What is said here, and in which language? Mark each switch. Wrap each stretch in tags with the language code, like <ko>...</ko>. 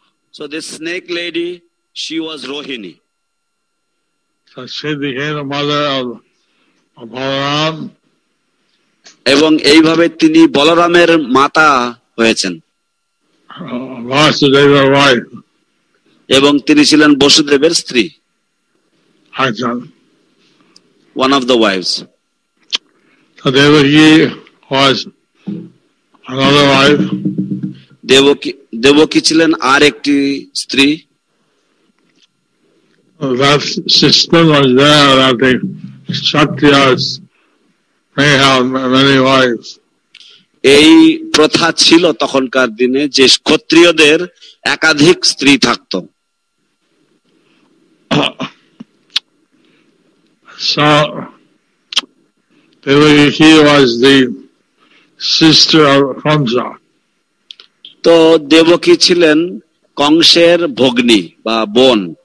<en>So this snake lady, she was Rohini. So she became the mother of Balaram.</en> <bn>এবং এইভাবে তিনি বলরামের মাতা হয়েছেন এবং তিনি ছিলেন বসুদেবের স্ত্রী</bn> <en>one of the wives. So Devaki was another wife.</en> <bn>Devaki ছিলেন আর একটি স্ত্রী.</bn> <en>That system was there, I think. Kshatriyas may have many wives.</en> <bn>এই প্রথা ছিল তখনকার দিনে যে ক্ষত্রিয়দের একাধিক স্ত্রী থাকত.</bn> <en>So Devaki was the sister of Kamsa.</en> <bn>তো দেবকি ছিলেন কংসের ভগ্নী বা বোন.</bn>